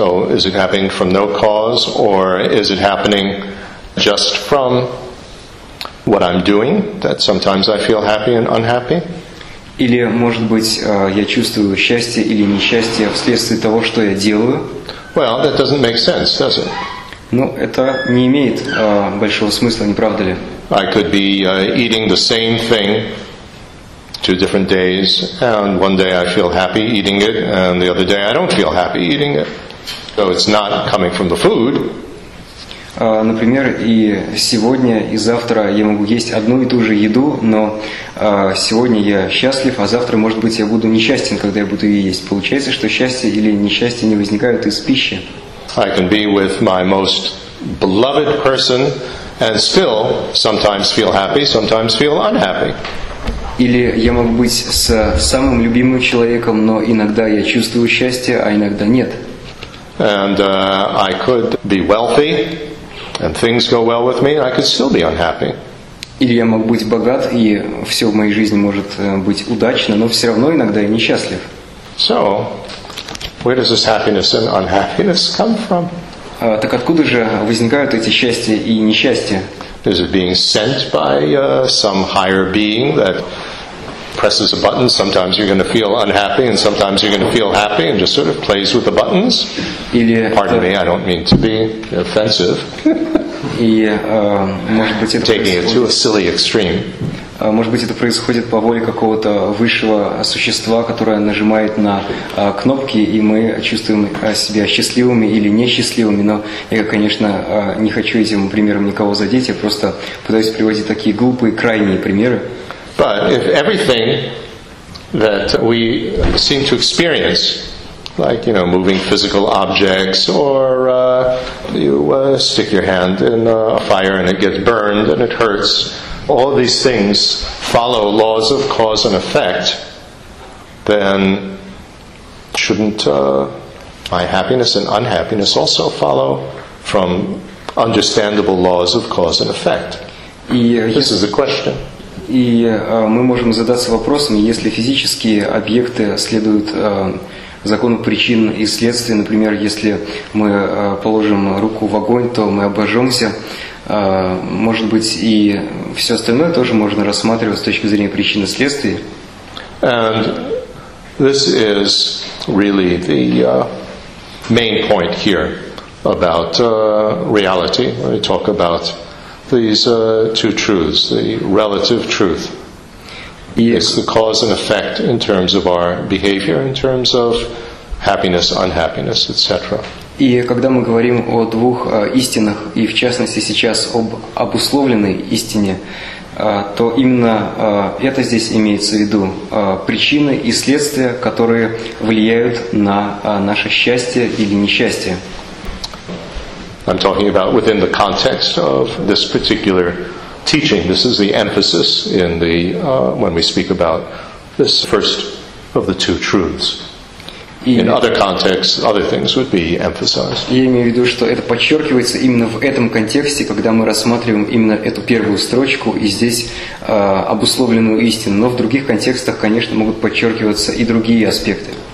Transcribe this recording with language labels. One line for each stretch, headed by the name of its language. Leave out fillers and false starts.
English: Is it happening from no cause, or is it happening just from what I'm doing, that sometimes I feel happy and unhappy?
Russian: Или, может быть, я чувствую счастье или несчастье вследствие того, что я делаю?
English: Well, that doesn't make sense, does it?
Russian: Ну, это не имеет большого смысла, не правда ли?
English: I could be eating the same thing two different days, and one day I feel happy eating it, and the other day I don't feel happy eating it. So it's not coming from the food.
Russian: Например, и сегодня, и завтра я могу есть одну и ту же еду, но сегодня я счастлив, а завтра, может быть, я буду несчастен, когда я буду ее есть. Получается, что счастье или несчастье не возникают из пищи.
English: I can be with my most beloved person and still sometimes feel happy, sometimes feel unhappy.
Russian: Или я могу быть с самым любимым человеком, но иногда я чувствую счастье, а иногда нет.
English: And I could be wealthy and things go well with me, I could still be unhappy.
Russian: Или я могу быть богат, и все в моей жизни может быть удачно, но все равно иногда я несчастлив.
English: So, where does this happiness and unhappiness come from?
Russian: Так откуда же возникают эти счастья и несчастья?
English: Is it being sent by some higher being that presses a button? Sometimes you're going to feel unhappy and sometimes you're going to feel happy and just sort of plays with the buttons? Pardon me, I don't mean to be offensive.
Russian: может быть, это
English: taking
Russian: происходит...
English: it to a silly extreme.
Russian: Может быть, это происходит по воле какого-то высшего существа, которое нажимает на кнопки, и мы чувствуем себя счастливыми или несчастливыми, но я, конечно, не хочу этим примером никого задеть, я просто пытаюсь приводить такие глупые, крайние примеры.
English: But if everything that we seem to experience, like, you know, moving physical objects, or stick your hand in a fire and it gets burned and it hurts, all these things follow laws of cause and effect, then shouldn't my happiness and unhappiness also follow from understandable laws of cause and effect? This is the question.
Russian: И мы можем задаться вопросом, если физические объекты следуют закону причин и следствий, например, если мы положим руку в огонь, то мы обожжемся. Может быть, и все остальное тоже можно рассматривать с точки зрения причин и следствий.
English: And this is really the main point here about reality. We talk about these two truths, the relative truth. It's the cause and effect in terms of our behavior, in terms of happiness, unhappiness, etc.
Russian: И когда мы говорим о двух истинах, и в частности сейчас об обусловленной истине, то именно это здесь имеется в виду, причины и следствия, которые влияют на наше счастье или несчастье.
English: I'm talking about within the context of this particular teaching. This is the emphasis in the when we speak about this first of the two truths. In other contexts, other things would be emphasized.
Russian: Я имею в виду, что это подчеркивается именно в этом контексте, когда мы рассматриваем именно эту первую строчку и здесь обусловленную истину. Но в других контекстах, конечно, могут подчеркиваться и другие аспекты.